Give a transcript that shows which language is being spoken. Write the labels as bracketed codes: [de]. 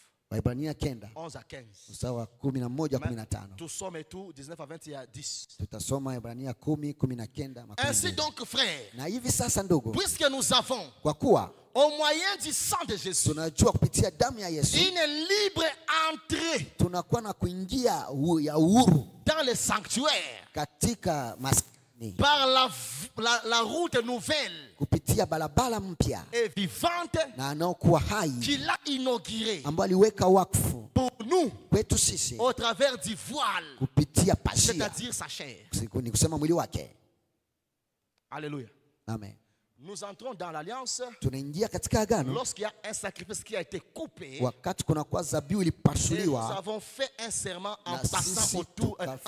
[sw] Hebrania 9. [fr] 11 à 15. [sw] Mstari wa 11 hadi 15. Tusome tu 19 à 20 ya 10. Tutasoma Hebrania 10, 19 à 20. [fr] Ainsi donc frère. [sw] Na hivi sasa ndugu. [fr] Puisque nous avons. [sw] Kwa kuwa. [fr] Au moyen du sang de Jésus. [sw] Tunajua kupitia damu ya Yesu. [fr] Une libre entrée. [sw] Tunakuwa na kuingia ya uhuru. [fr] Dans le sanctuaire. [sw] Katika maskani. [fr] Par la route nouvelle. [sw] Kupitia balabala mpya. [fr] Et vivante. [sw] Na anayokuwa hai. [fr] Qui l'a inauguré. [sw] Ambayo aliweka wakfu. [fr] Pour nous. [sw] Kwetu sisi. [fr] Au travers du voile. [sw] Kupitia pazia. [fr] C'est-à-dire sa chair. [sw] Ni kusema mwili wake. [fr] Alléluia. Amen. Nous entrons dans l'alliance. [sw] Tunaingia katika agano. [fr] Lorsqu'il y a un sacrifice qui a été coupé. [sw] Wakati kuna kwa zabiu ilipasuliwa. [fr] Nous avons fait un serment en passant autour